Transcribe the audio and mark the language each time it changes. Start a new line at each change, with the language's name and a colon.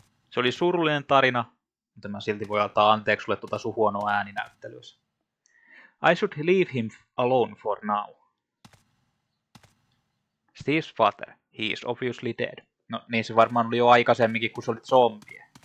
Finnish: Se oli surullinen tarina, mutta mä silti voi antaa anteeksi sulle tuota sun huonoa ääninäyttelyä.
English: I should leave him alone for now. Steve's father, he is obviously dead.
Finnish: No niin, se varmaan oli jo aikaisemminkin, kun se oli zombie.